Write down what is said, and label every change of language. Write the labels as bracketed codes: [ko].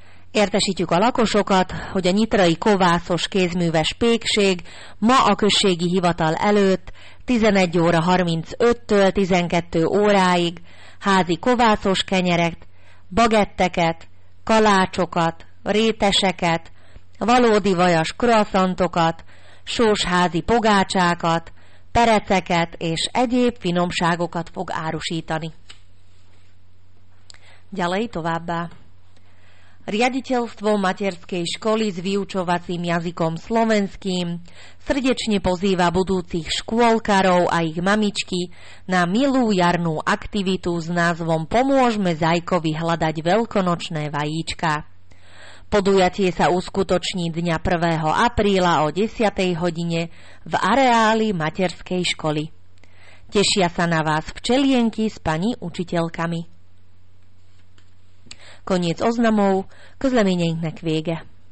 [hu] Értesítjük a lakosokat, hogy a nyitrai kovászos kézműves pékség ma a községi hivatal előtt 11 óra 35-től 12 óráig házi kovászos kenyeret, bagetteket, kalácsokat, réteseket, valódi vajas kroaszantokat, sós házi pogácsákat, pereceket és egyéb finomságokat fog árusítani. [sk] Ďalej [hu] továbbá. [sk] Riaditeľstvo materskej školy s vyučovacím jazykom slovenským srdečne pozýva budúcich škôlkarov a ich mamičky na milú jarnú aktivitu s názvom Pomôžme zajkovi hľadať veľkonočné vajíčka. Podujatie sa uskutoční dňa 1. apríla o 10. hodine v areáli materskej školy. Tešia sa na vás včelienky s pani učiteľkami. Koniec oznamov, [hu] közleményeinknek vége.